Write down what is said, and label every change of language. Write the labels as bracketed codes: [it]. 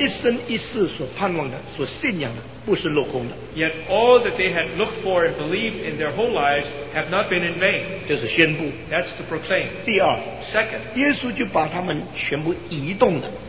[zh] 一生一世所盼望的, 所信仰的, 不是落空的, [en] yet all that they had looked for and believed in their whole lives have not been in vain. [zh] 这是宣布, [en] that's to proclaim. [zh] 第二, [en] second, [zh] 耶稣就把他们全部移动了,